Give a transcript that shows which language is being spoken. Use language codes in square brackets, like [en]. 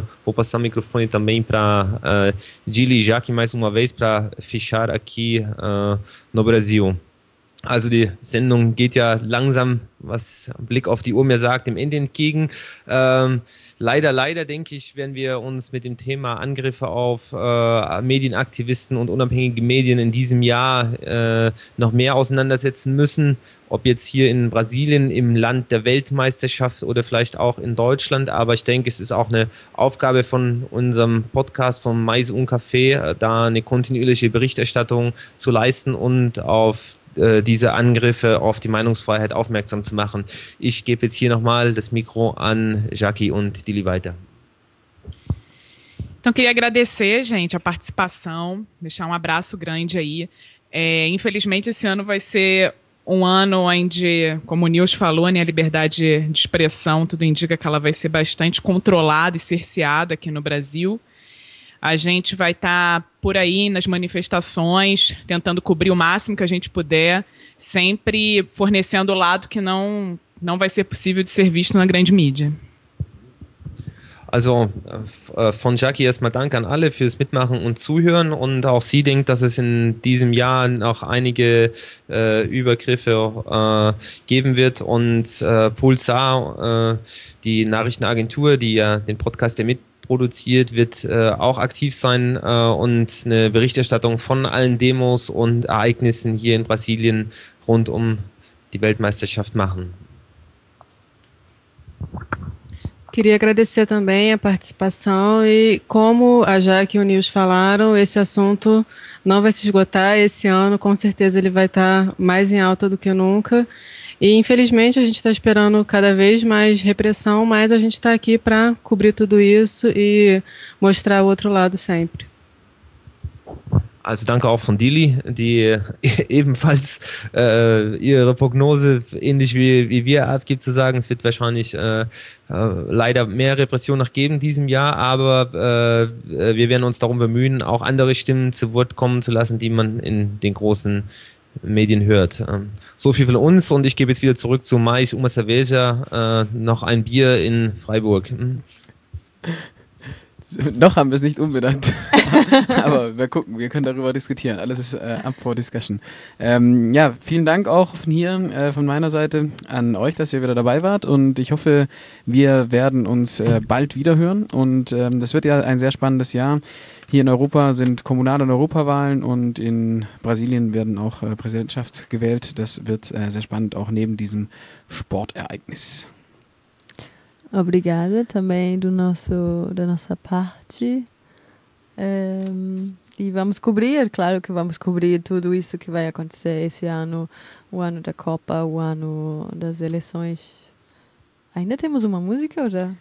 [pt] Vou passar o microfone também para Dili Jacques mais uma vez para fechar aqui no Brasil. [de] Also die Sendung geht ja langsam, was ein Blick auf die Uhr mir sagt, dem Ende entgegen. Leider, denke ich, werden wir uns mit dem Thema Angriffe auf Medienaktivisten und unabhängige Medien in diesem Jahr noch mehr auseinandersetzen müssen. Ob jetzt hier in Brasilien, im Land der Weltmeisterschaft oder vielleicht auch in Deutschland. Aber ich denke, es ist auch eine Aufgabe von unserem Podcast von Mais un Café, da eine kontinuierliche Berichterstattung zu leisten und auf diese Angriffe auf die Meinungsfreiheit aufmerksam zu machen. Ich gebe jetzt hier nochmal das Mikro an Jackie und Dili weiter. [pt] Então, queria agradecer, gente, a participação, deixar um abraço grande aí. Infelizmente, esse ano vai ser um ano onde, como o Nils falou, né, a liberdade de expressão, tudo indica que ela vai ser bastante controlada e cerceada aqui no Brasil. A gente vai estar por aí nas manifestações, tentando cobrir o máximo que a gente puder, sempre fornecendo o lado que não vai ser possível de ser visto na grande mídia. [de] Also, von Jackie erstmal Dank an alle fürs Mitmachen und Zuhören und auch sie denkt, dass es in diesem Jahr noch einige Übergriffe geben wird und Pulsar, die Nachrichtenagentur, die ja den Podcast der produziert, wird auch aktiv sein und eine Berichterstattung von allen Demos und Ereignissen hier in Brasilien rund um die Weltmeisterschaft machen. [pt] Queria agradecer também a participação e como a Jaque e o Nils falaram, esse assunto não vai se esgotar esse ano, com certeza ele vai estar mais em alta do que nunca. E infelizmente a gente está esperando cada vez mais repressão, mas a gente está aqui para cobrir tudo isso e mostrar o outro lado sempre. [de] Also danke auch von Dili, die ebenfalls ihre Prognose ähnlich wie wir abgibt, zu sagen, es wird wahrscheinlich leider mehr Repression noch geben diesem Jahr, aber wir werden uns darum bemühen, auch andere Stimmen zu Wort kommen zu lassen, die man in den großen Medien hört. So viel von uns und ich gebe jetzt wieder zurück zu Mais Uma Cerveja, noch ein Bier in Freiburg. Noch haben wir es nicht umbenannt. Aber wir gucken, wir können darüber diskutieren. Alles ist [en] up for discussion. [de] Ja, vielen Dank auch von hier, von meiner Seite an euch, dass ihr wieder dabei wart. Und ich hoffe, wir werden uns bald wieder hören. Und das wird ja ein sehr spannendes Jahr. Hier in Europa sind Kommunal- und Europawahlen und in Brasilien werden auch Präsidentschaft gewählt. Das wird sehr spannend, auch neben diesem Sportereignis. [pt] Obrigada também do nosso, da nossa parte. E vamos cobrir, claro que vamos cobrir tudo isso que vai acontecer esse ano, o ano da Copa, o ano das eleições. Ainda temos uma música ou já